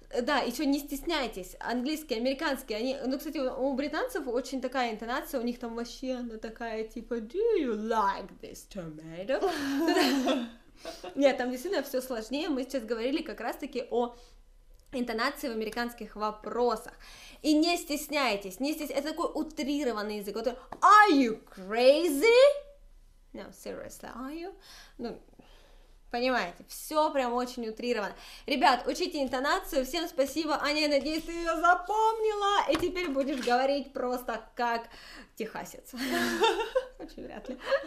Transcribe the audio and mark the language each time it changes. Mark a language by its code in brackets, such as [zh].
[ru] Да, еще не стесняйтесь, английские, американские, они, ну, кстати, у британцев очень такая интонация, у них там вообще она такая, типа, [en] do you like this tomato? [ru] Нет, там действительно все сложнее, мы сейчас говорили как раз-таки о интонации в американских вопросах. И не стесняйтесь, не стесняйтесь. Это такой утрированный язык. [en] Вот, are you crazy? No, seriously, are you? [ru] Ну, понимаете, все прям очень утрировано. Ребят, учите интонацию. Всем спасибо. Аня, я надеюсь, ты ее запомнила. И теперь будешь говорить просто как техасец. Очень вряд ли.